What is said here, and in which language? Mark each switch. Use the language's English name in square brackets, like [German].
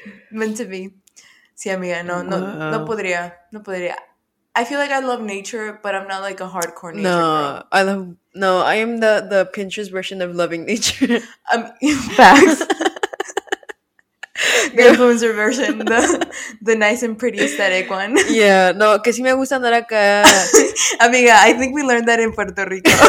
[English] Meant to be. [Spanish] Sí, amiga, no, no, [English] wow. [Spanish] No podría. [English] I feel like I love nature, but I'm not like a hardcore nature. No, girl. I am the Pinterest version of loving nature. Facts. The influencer version, the nice and pretty aesthetic one. [Spanish] Yeah, no, que sí me gusta andar acá. [English] Amiga, I think we learned that in Puerto Rico.